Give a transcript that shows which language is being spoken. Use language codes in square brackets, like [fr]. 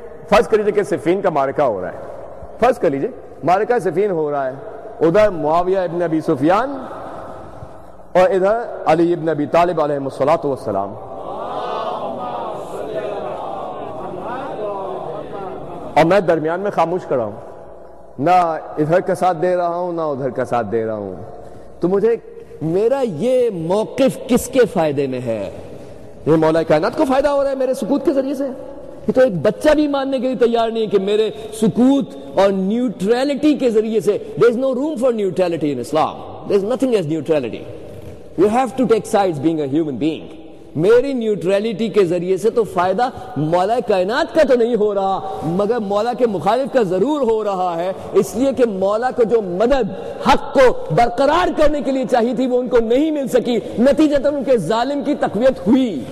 [ur] فرض کریجئے کہ صفین کا معرکہ ہو رہا ہے, فرض کر لیجئے معرکہ صفین ہو رہا ہے, ادھر معاویہ ابن ابی سفیان اور ادھر علی ابن ابی طالب علیہ الصلاۃ والسلام, اور میں درمیان میں خاموش کر رہا ہوں, نہ ادھر کا ساتھ دے رہا ہوں نہ ادھر کا ساتھ دے رہا ہوں, تو مجھے میرا یہ موقف کس کے فائدے میں ہے؟ یہ مولا کائنات کو فائدہ ہو رہا ہے میرے سکوت کے ذریعے سے. یہ تو ایک بچہ بھی ماننے کے لیے تیار نہیں ہے کہ میرے سکوت اور نیوٹریلٹی کے ذریعے سے. [en] There is no room for neutrality in Islam. There is nothing as neutrality. You have to take sides being a human being. [ur] میری نیوٹریلٹی کے ذریعے سے تو فائدہ مولا کائنات کا تو نہیں ہو رہا, مگر مولا کے مخالف کا ضرور ہو رہا ہے. اس لیے کہ مولا کو جو مدد حق کو برقرار کرنے کے لیے چاہیے تھی وہ ان کو نہیں مل سکی, نتیجہ تو ان کے ظالم کی تقویت ہوئی.